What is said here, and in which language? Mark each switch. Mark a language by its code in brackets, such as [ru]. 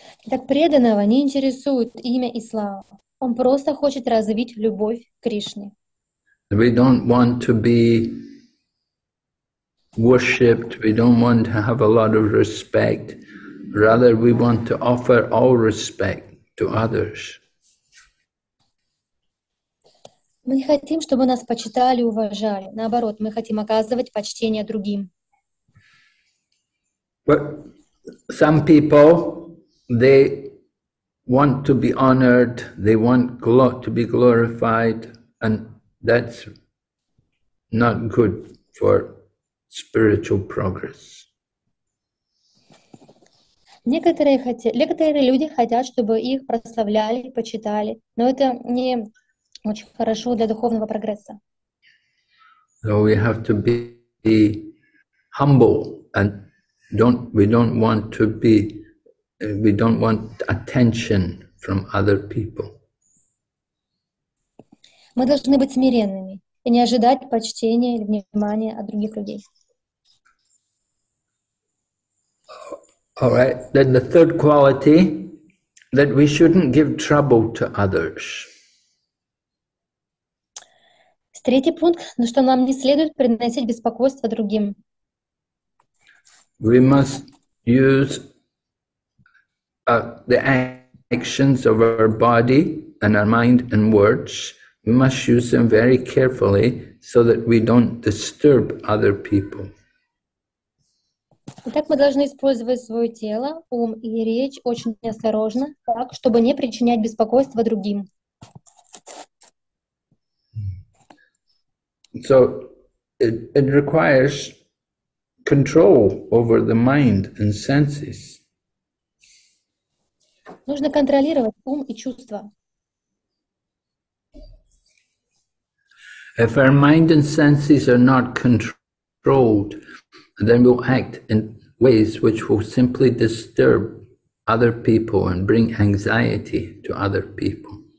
[ru] Так, преданного не интересует имя и слава. Он просто хочет развить любовь к Кришне. [en] We don't want to be worshipped. We don't want to have a lot of respect. Rather, we want to offer all respect to others. [ru] Мы не хотим, чтобы нас почитали и уважали. Наоборот, мы хотим оказывать почтение другим. [en] But some people, they want to be honored, they want to be glorified, and that's not good for spiritual progress. [ru] Некоторые люди хотят, чтобы их прославляли, почитали, но это не Очень хорошо для духовного прогресса. [en] So we have to be humble and we don't want attention from other people. [ru] Мы должны быть смиренными и не ожидать почтения или внимания от других людей. [en] All right, then the third quality, that we shouldn't give trouble to others. [ru] Третий пункт, ну что нам не следует приносить беспокойство другим. [en] We must use the actions of our body and our mind and words. We must use them very carefully so that we don't disturb other people. [ru] Итак, мы должны использовать свое тело, ум и речь очень осторожно, так, чтобы не причинять беспокойство другим. [en] So it requires control over the mind and senses. [ru] Нужно контролировать ум и чувства. [en] If our mind and senses are not controlled, then we'll act in ways which will simply disturb other people and bring anxiety to other people.